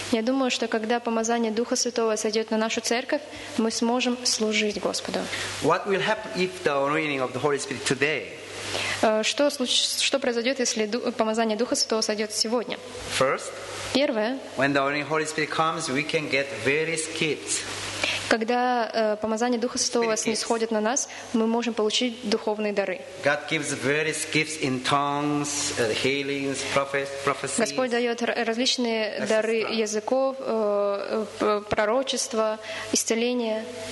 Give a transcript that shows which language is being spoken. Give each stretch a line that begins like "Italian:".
Russian: Я думаю, что когда помазание Духа Святого сойдет на нашу церковь, мы сможем служить Господу.
English: What will happen if the anointing of the Holy Spirit today?
Russian: Что произойдет, если помазание Духа Святого сойдет сегодня?
English: First.
Russian: Первое.
English: When the anointing of the Holy Spirit comes, we can get very skipped.
Russian: Когда помазание Духа Святого снисходит на нас, мы можем получить духовные дары.
English: God gives various gifts in tongues, healings, prophecies.
Russian: Господь дает различные дары языков, пророчества, исцеления.